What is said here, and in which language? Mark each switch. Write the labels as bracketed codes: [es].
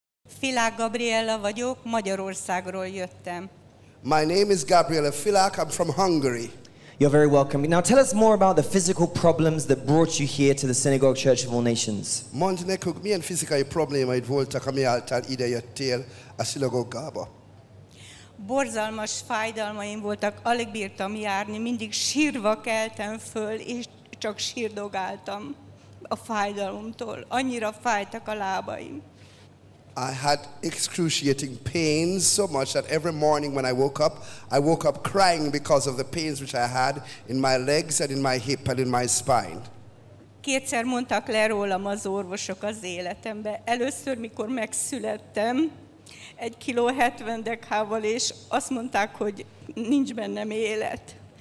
[hu] Filák Gabriela vagyok, Magyarországról jöttem. [en] My name is Gabriela Filák, I'm from Hungary. You're very welcome. Now tell us more about the physical problems that brought you here to the Synagogue Church of All Nations. Montenegro, mi en fizika i problema i volta kami altan ide jöttél a szinagógába. [hu] Borzalmas fájdalmaim voltak, alig bírtam járni, mindig sírva keltem föl, és csak sírdogáltam a fájdalomtól. Annyira fájtak a lábaim. [en] I had excruciating pains so much that every morning when I woke up crying because of the pains which I had in my legs and in my hip and in my spine. [hu] Kétszer mondtak le rólam az orvosok az életembe. Először, mikor megszülettem, 1,70 kg dekával, és azt mondták, hogy nincs bennem élet.